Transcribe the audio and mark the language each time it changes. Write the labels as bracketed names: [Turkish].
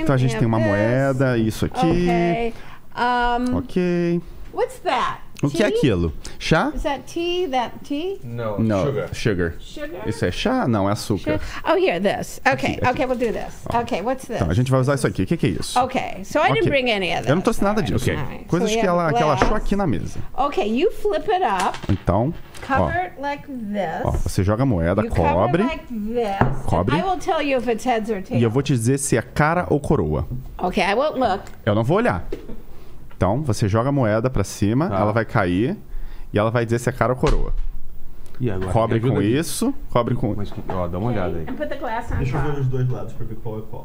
[Portuguese] Então a gente tem uma moeda, isso aqui. [English] Okay. What's that? [Portuguese] O que é aquilo? Chá? [English] Is that tea? That tea? No, sugar. Sugar. Sugar? [Portuguese] Isso é chá? Não, é açúcar. [English] Oh, here, this. Okay, we'll do this. Okay, what's this? [Portuguese] Então, a gente vai usar isso aqui. O que é isso? [English] Okay, so I didn't bring any of this. [Portuguese] Eu não trouxe nada disso. [English] Okay. [Portuguese] Coisas que ela achou aqui na mesa. [English] Okay, you flip it up. [Portuguese] Então, [English] cover it like this. [Portuguese] Ó, você joga a moeda, cobre. Cobre. [English] I will tell you if it's heads or tails. [Portuguese] E eu vou te dizer se é cara ou coroa. [English] Okay, I won't look. [Portuguese] Eu não vou olhar. Então, você joga a moeda pra cima, ela vai cair e ela vai dizer se é cara ou coroa. E agora, cobre com isso. Cobre com... Mas, ó, dá uma olhada aí. Deixa eu ver os dois lados pra ver qual é qual.